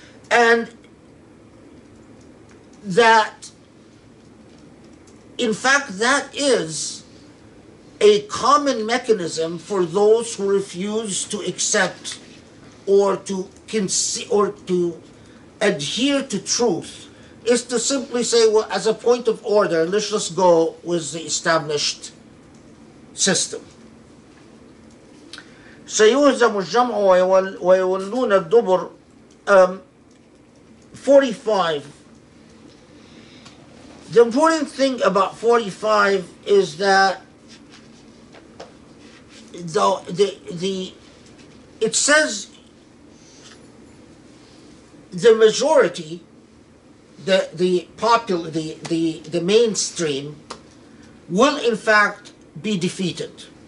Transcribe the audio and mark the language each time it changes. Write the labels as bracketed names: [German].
[English] And that, in fact, that is a common mechanism for those who refuse to accept or to adhere to truth, is to simply say, well, as a point of order, let's just go with the established system. [Arabic] سيهزم الجمع ويولون الدبر. [English] 45. The important thing about 45 is that it says the majority, the mainstream, will in fact be defeated.